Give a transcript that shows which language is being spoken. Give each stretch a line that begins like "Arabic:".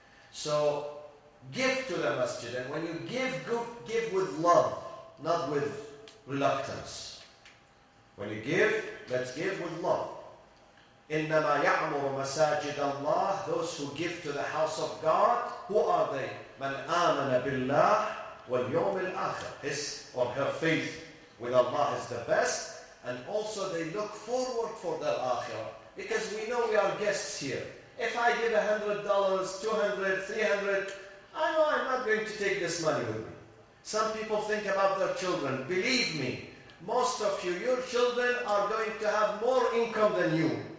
English: So give to the masjid, and when you give, give with love, not with reluctance. When you give, let's give with love.
Arabic: إنما يعمر مساجد الله.
English: Those who give to the house of God, who are they?
Arabic: من آمن بالله واليوم الآخر.
English: His or her faith with Allah is the best, and also they look forward for the آخرة. Because we know we are guests here. If I give $100, $200, $300, I know I'm not going to take this money with me. Some people think about their children. Believe me, most of you, your children are going to have more income than you.